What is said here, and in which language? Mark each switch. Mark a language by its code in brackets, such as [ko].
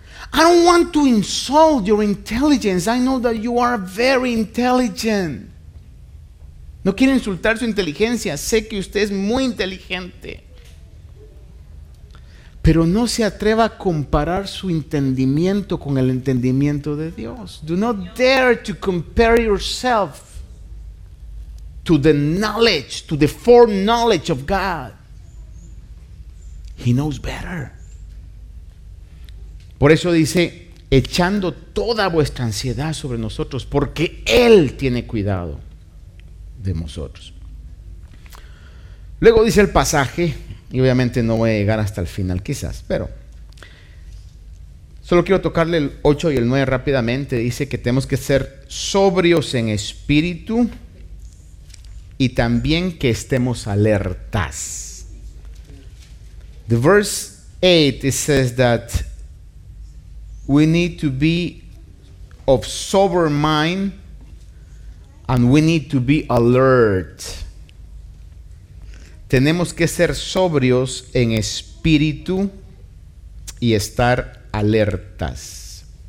[en] I don't want to insult your intelligence. I know that you are very intelligent. [es] No quiero insultar su inteligencia. Sé que usted es muy inteligente. Pero no se atreva a comparar su entendimiento con el entendimiento de Dios. [en] Do not dare to compare yourself to the knowledge, to the foreknowledge of God. He knows better. [es] Por eso dice, echando toda vuestra ansiedad sobre nosotros, porque Él tiene cuidado de nosotros. Luego dice el pasaje, y obviamente no voy a llegar hasta el final quizás, pero solo quiero tocarle el 8 y el 9 rápidamente. Dice que tenemos que ser sobrios en espíritu, y también que estemos alertas. [en] The verse 8, it says that we need to be of sober mind and we need to be alert. [es] Tenemos que ser sobrios en espíritu y estar alertas.